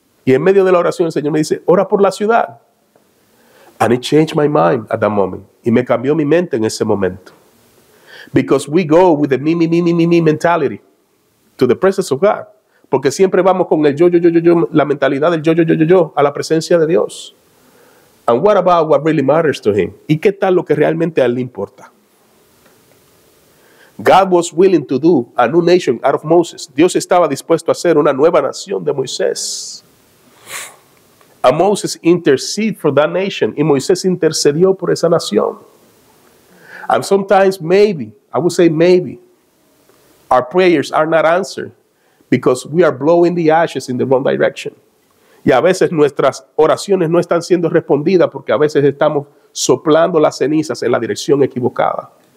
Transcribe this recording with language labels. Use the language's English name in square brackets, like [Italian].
[Spanish] Y en medio de la oración, el Señor me dice, ora por la ciudad. [English] And it changed my mind at that moment. [Spanish] Y me cambió mi mente en ese momento. [English] Because we go with the me mentality to the presence of God. [Spanish] Porque siempre vamos con el yo, la mentalidad del yo, a la presencia de Dios. [English] And what about what really matters to him? [Spanish] ¿Y qué tal lo que realmente a él le importa? [English] God was willing to do a new nation out of Moses. [Spanish] Dios estaba dispuesto a hacer una nueva nación de Moisés. [English] And Moses intercede for that nation. [Spanish] Y Moisés intercedió por esa nación. [English] And sometimes maybe, I would say maybe, our prayers are not answered because we are blowing the ashes in the wrong direction. [Spanish] Y a veces nuestras oraciones no están siendo respondidas porque a veces estamos soplando las cenizas en la dirección equivocada.